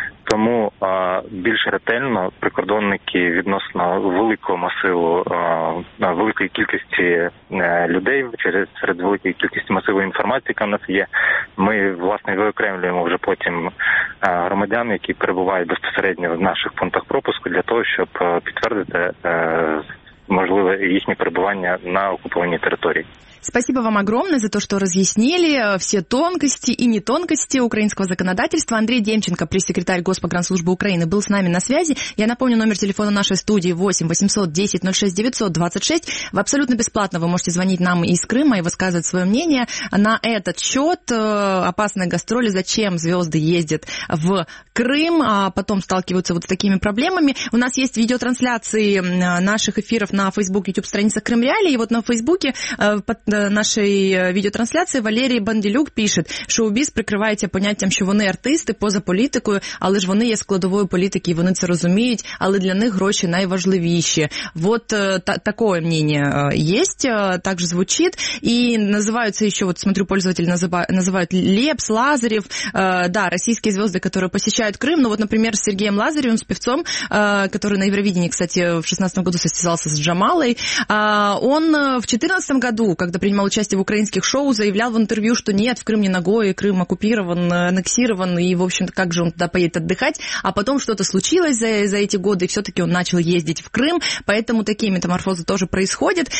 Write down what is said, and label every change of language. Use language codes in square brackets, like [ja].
[uk] Тому більш ретельно прикордонники відносно великого масиву, великої кількості людей, серед великої кількості масиву інформації, яка в нас є, ми, власне, виокремлюємо вже потім громадян, які перебувають безпосередньо в наших пунктах пропуску, для того, щоб підтвердити можливе їхнє перебування на окупованій території. [ru] Спасибо вам огромное за то, что разъяснили все тонкости и нетонкости украинского законодательства. Андрей Демченко, пресс-секретарь Госпогранслужбы Украины, был с нами на связи. Я напомню, номер телефона нашей студии 8 800 10 06 926. В абсолютно бесплатно вы можете звонить нам из Крыма и высказывать свое мнение на этот счет. Опасные гастроли, зачем звезды ездят в Крым, а потом сталкиваются вот с такими проблемами. У нас есть видеотрансляции наших эфиров на Facebook, YouTube-страница Крым Реалии. И вот на Facebook подписывайтесь. [uk] до нашої відеотрансляції Валерій Банділюк пише, що шоу-біз прикривається поняттям, що вони артисти поза політикою, але ж вони є складовою політики, і вони це розуміють, але для них гроші найважливіші. От таке мнення є, так же звучить, і називаються ще, от смотрю, пользователі називають Лепс, Лазарєв, да, російські зв'язки, які посещають Крим, ну, от, наприклад, з Сергієм Лазарєвим, співцом, який на Євровидении, [ru] кстати, в 16-м году состязался с Джамалой. Он в 14-м году, когда принимал участие в украинских шоу, заявлял в интервью, что нет, в Крым не ногой, Крым оккупирован, аннексирован, и, в общем-то, как же он туда поедет отдыхать. А потом что-то случилось за эти годы, и все-таки он начал ездить в Крым, поэтому такие метаморфозы тоже происходят.